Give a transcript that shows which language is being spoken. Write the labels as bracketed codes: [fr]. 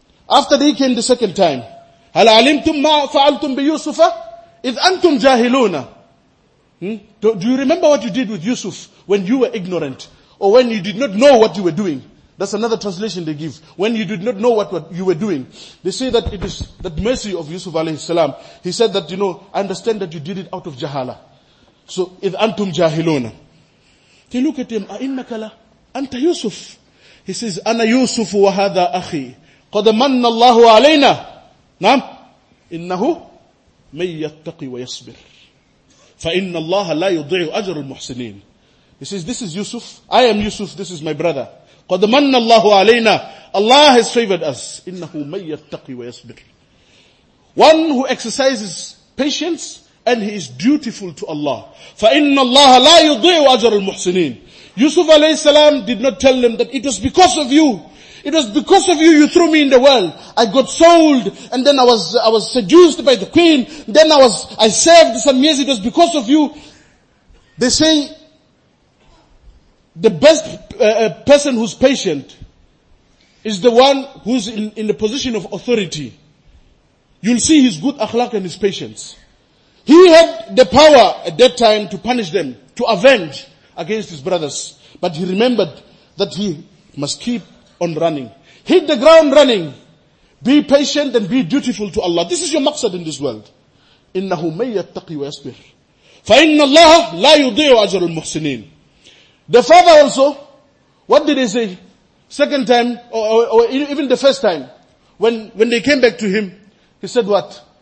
[en] After they came the second time, [ar] هَلَ عَلِمْتُمْ مَا فَعَلْتُمْ بِيُوسُفَ إِذْ أَنْتُمْ جَاهِلُونَ [en] Do you remember what you did with Yusuf when you were ignorant? Or when you did not know what you were doing? That's another translation they give. When you did not know what you were doing. They say that it is that mercy of Yusuf alayhi salam. He said that, you know, I understand that you did it out of jahala. So, [ar] إِذْ أَنْتُمْ جَاهِلُونَ [en] They look at him, [ar] أَإِنَّكَ لَا أَنْتَ يُوسُف [en] He says, [ar] أَنَا يُوسُفُ وَهَذَا أَخِي قَدْ مَنَّ اللَّهُ عَلَيْنَا نعم إِنَّهُ مَنْ يَتَّقِ وَيَصْبِرْ فَإِنَّ اللَّهَ لَا يُضِعُ أَجْرُ الْمُحْسِنِينَ [en] He says, this is Yusuf. I am Yusuf. This is my brother. [ar] قَدْ مَنَّ اللَّهُ عَلَيْنَا [en] Allah has favored us. [ar] إِنَّهُ مَنْ يَتَّقِ وَيَصْبِرْ [en] One who exercises patience and he is dutiful to Allah. [ar] فَإِنَّ اللَّهَ لَا يُضِعُ أَجْرُ الْمُحْسِنِينَ [en] Yusuf alayhi salam did not tell them that it was because of you. It was because of you threw me in the world. I got sold and then I was seduced by the queen. Then I served some years. It was because of you. They say the best person who's patient is the one who's in the position of authority. You'll see his good akhlaq and his patience. He had the power at that time to punish them, to avenge against his brothers. But he remembered that he must keep on running. Hit the ground running. Be patient and be dutiful to Allah. This is your maqsad in this world. [ar] إِنَّهُ مَنْ يَتَّقِي وَيَصْبِرْ فَإِنَّ اللَّهَ لَا يُضِيعُ أَجْرُ الْمُحْسِنِينَ [en] The father also, what did he say? Second time, or even the first time, when they came back to him, he said what?